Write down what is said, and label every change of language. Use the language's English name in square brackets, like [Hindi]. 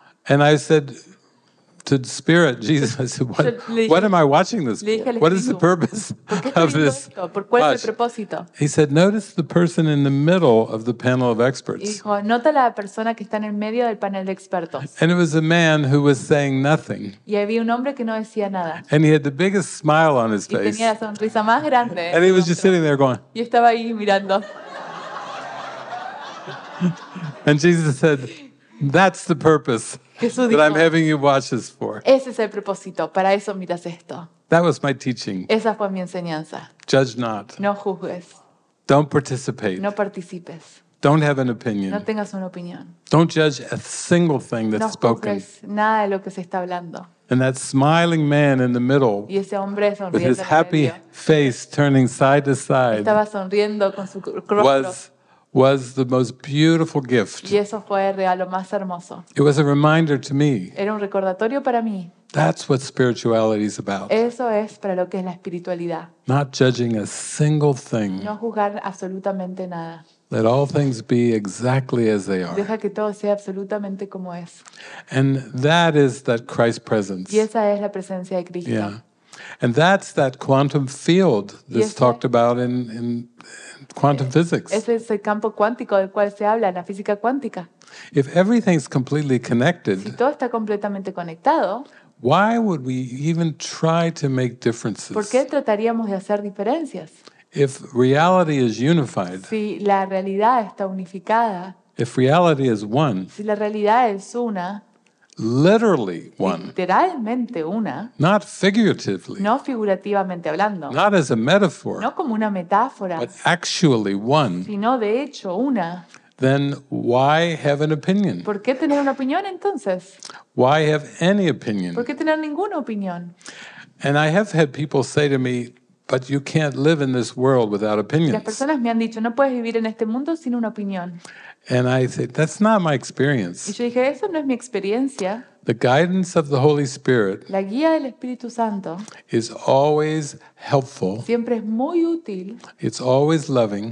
[English] And I said to Spirit, Jesus, I said, what am I watching this for? What is the purpose of this? [Spanish] ¿Por cuál es el propósito? [English] He said, notice the person in the middle of the panel of experts. [Spanish] Dijo, nota la persona que está en el medio del panel de expertos. [English] And it was a man who was saying nothing. [Spanish] Y había un hombre que no decía nada. [English] And he had the biggest smile on his face. [Spanish] Y tenía la sonrisa más grande. [English] And he was just sitting there going. [Spanish] Y estaba ahí mirando. [English] And Jesus said, that's the purpose. [Spanish] Jesús dijo, [English] I'm having you watch this for. [Spanish] Ese es el propósito. Para eso miras esto. [English] That was my teaching. [Spanish] Esa fue mi enseñanza. [English] Judge not. [Spanish] No juzgues. [English] Don't participate. [Spanish] No participes. [English] Don't have an opinion. [Spanish] No tengas una opinión. [English] Don't judge a single thing that's spoken. [Spanish] No juzgues nada de lo que se está hablando. [English] And that smiling man in the middle, [Spanish] y ese hombre sonriendo [English] with his happy face turning side to side, [Spanish] estaba sonriendo con su rostro. [English] Was the most beautiful gift. [Spanish] Y eso fue el regalo más hermoso. [English] It was a reminder to me. [Spanish] Era un recordatorio para mí. [English] That's what spirituality is about. [Spanish] Eso es para lo que es la espiritualidad. [English] Not judging a single thing. [Spanish] No juzgar absolutamente nada. [English] Let all things be exactly as they are. [Spanish] Deja que todo sea absolutamente como es. [English] And that is that Christ presence. [Spanish] Y esa es la presencia de Cristo. [English] Yeah. And that's that quantum field that's talked about in quantum physics. [Spanish] Ese es el campo cuántico del cual se habla en la física cuántica. [English] If everything's completely connected, [Spanish] si todo está completamente conectado, [English] why would we even try to make differences? [Spanish] ¿Por qué trataríamos de hacer diferencias? [English] If reality is unified, [Spanish] si la realidad está unificada, [English] if reality is one, [Spanish] si la realidad es una, [English] literally one. [Spanish] Literalmente una. [English] Not figuratively. [Spanish] No figurativamente hablando. [English] Not as a metaphor. [Spanish] No como una metáfora. [English] But actually one. [Spanish] Sino de hecho una. [English] Then why have an opinion? [Spanish] ¿Por qué tener una opinión entonces? [English] Why have any opinion? [Spanish] ¿Por qué tener ninguna opinión? [English] And I have had people say to me, but you can't live in this world without opinions. [Spanish] Las personas me han dicho, no puedes vivir en este mundo sin una opinión. [English] And I said, that's not my experience. [Spanish] Y yo dije, eso no es mi experiencia. [English] The guidance of the Holy Spirit, [Spanish] la guía del Espíritu Santo, [English] is always helpful. [Spanish] Siempre es muy útil. [English] It's always loving.